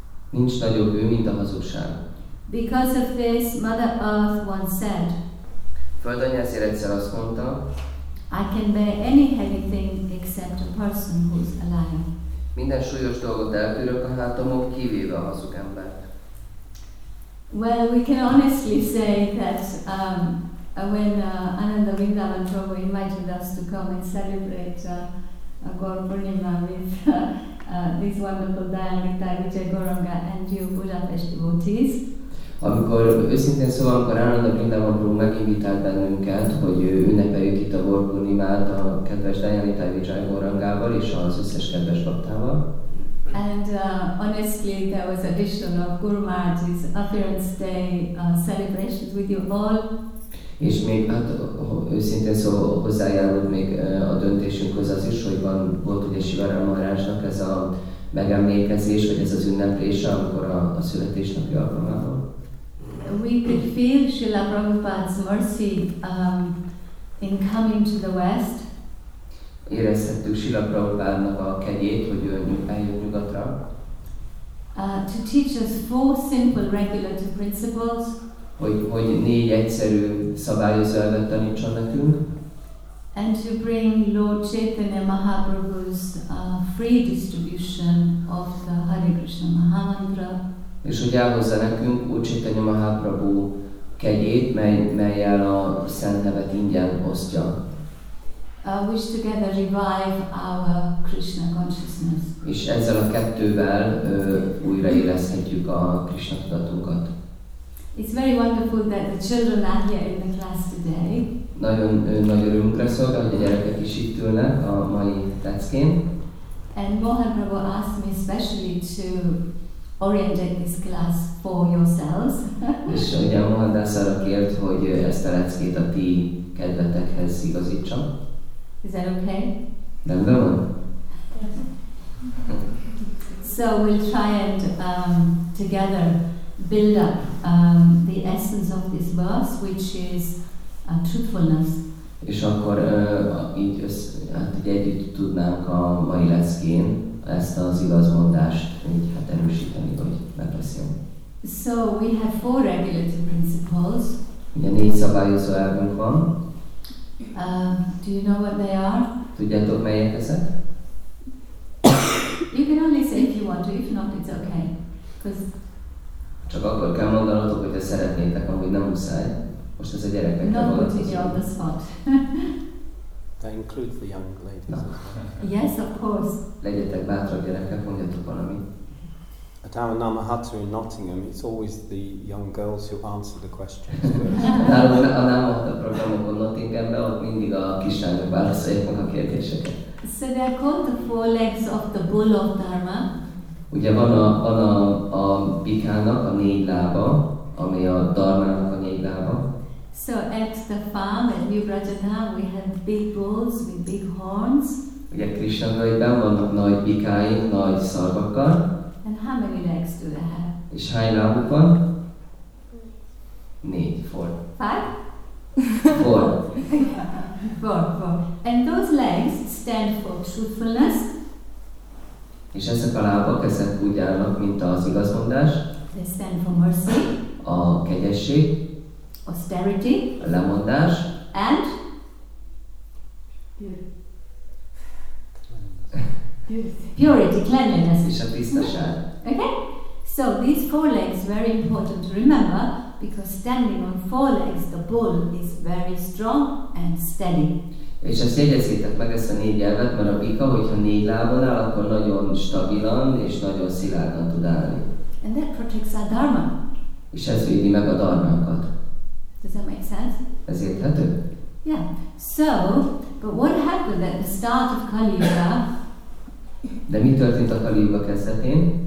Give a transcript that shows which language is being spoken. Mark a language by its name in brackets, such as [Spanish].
[Hungarian] Nincs nagyobb bűn, mint a hazugság. [English] Because of this, Mother Earth once said, [Hungarian] Földanya ezért egyszer azt mondta, [English] I can bear any heavy thing except a person who is a liar. [Hungarian] Minden súlyos dolgot elbírok a hátamon, kivéve a hazug embert. [English] Well, we can honestly say that when Ananda Vrindavan Prabhu invited us to come and celebrate Gaur Purnima with this wonderful Dayanita Vijay Goranga and you Budapest devotees. [Hungarian] Amikor őszintén szóval, amikor Ananda Vrindavan Prabhu meginvitált bennünket, hogy ünnepeljük itt a Gaur Purnimát a kedves Dayanita Vijay Gorangával és az összes kedves baktával. [English] And honestly, there was addition of Guru Maharaj's appearance day celebrations with you all. [Hungarian] És még hát őszintén szóval hozzájárult még a döntésünkhoz az is, hogy van volt ugye Sivaram Maharajnak ez a megemlékezés, vagy ez az ünneplése, amikor a születésnapi alkalmával. [English] We could feel Srila Prabhupada's mercy in coming to the West. [Hungarian] Érezhettük Srila Prabhupádnak a kegyét, hogy ő eljött nyugatra. [English] To teach us four simple regulative principles. [Hungarian] Hogy négy egyszerű szabályozó elvet tanítson nekünk. [English] And to bring Lord Chaitanya Mahaprabhu's free distribution of the Hare Krishna Mahamantra. [Hungarian] És hogy elhozza nekünk Lord Chaitanya Mahaprabhu kegyét, melyel a szent nevet ingyen osztja. [English] Which together revive our Krishna consciousness. [Hungarian] És ezzel a kettővel újraéleszthetjük a Krishna tudatunkat. [English] It's very wonderful that the children are here in the class today. [Hungarian] Nagyon nagy örömünkre szolgál, hogy a gyerekek is itt ülnek a mai leckén. [English] And Mohan Prabhu asked me especially to orientate this class for yourselves. [Hungarian] És ugye Mohan Dász arra kért, hogy ezt a leckét a ti kedvetekhez igazítsam. [English] Is that okay? [Hungarian] Rendben van. [English] So we'll try and together build up the essence of this verse, which is truthfulness. [Hungarian] És akkor így hát így együtt tudnánk a mai leckén ezt az igazmondást így hát erősíteni, hogy megbeszéljünk. [English] So we have four regulative principles. [Hungarian] Ugye négy szabályozó elvünk van. [English] Do you know what they are? [Hungarian] Tudjátok melyek ezek? [English] You can only say if you want to, if not it's okay. [Hungarian] Csak akkor kell mondanatok, hogyha szeretnétek, amúgy nem muszáj. Most ez a gyerekek. [English] Not putting you on the spot. They include the young ladies. No. Yes, of course. [Hungarian] Legyetek bátrak, gyerekek, mondjatok valamit. [English] At our Namahatu in Nottingham, it's always the young girls who answer the questions. So they are called the four legs of the bull of Dharma. [Hungarian] Ugye van a bikának a négy lába, ami a Dharmának a négy lába. [English] So at the farm at New Brajadham, we have big bulls with big horns. [Hungarian] Ugye Krishnaiben vannak nagy bikáink, nagy szarvakkal. [English] And how many legs do they have? [Hungarian] És hány lábuk van? Négy, [English] four. Five? Four. Four. And those legs stand for truthfulness. [Hungarian] És ezek a lábak, ezek úgy állnak, mint az igazmondás. [English] They stand for mercy. [Hungarian] A kegyesség. [English] Austerity. [Hungarian] A lemondás. [English] And? Purity, cleanliness. [Hungarian] És a tisztaság. [English] Okay? So these four legs very important to remember because standing on four legs, the bull is very strong and steady. [Hungarian] És ezt jegyezzétek meg ezt a négy elvet, mert a bika, hogyha négy lábon áll, akkor nagyon stabilan és nagyon szilárdan tud állni. [English] And that protects our dharma. [Hungarian] És ez védi meg a dharmánkat. [English] Does that make sense? [Hungarian] Ez érthető? [English] Yeah. So, but what happened at the start of Kali Yuga? [Hungarian] De mi történt a Kali Yuga kezdetén?